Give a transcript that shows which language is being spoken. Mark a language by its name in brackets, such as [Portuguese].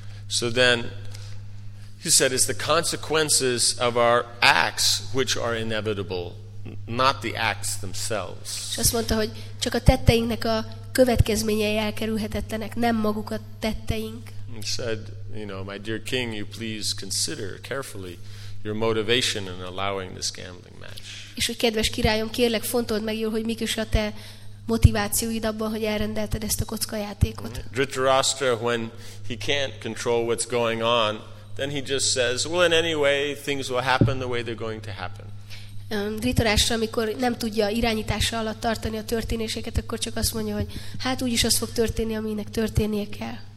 [English] So then, he said, it's the consequences of our acts which are inevitable, not the acts themselves. [Hungarian] És azt mondta, hogy csak a tetteinknek a következményei elkerülhetetlenek, nem maguk a tetteink. [English] He said, you know, my dear king, you please consider carefully your motivation in allowing this gambling match. [Hungarian] És hogy kedves királyom, kérlek, fontold meg jól, hogy mik is a te motivációid abban, hogy elrendelted ezt a kockajátékot. [English] Dhritarashtra, when he can't control what's going on, then he just says, well, in any way, things will happen the way they're going to happen. [Hungarian] Dhritarashtra, amikor nem tudja irányítása alatt tartani a történéseket, akkor csak azt mondja, hogy hát úgyis az fog történni, aminek történnie kell.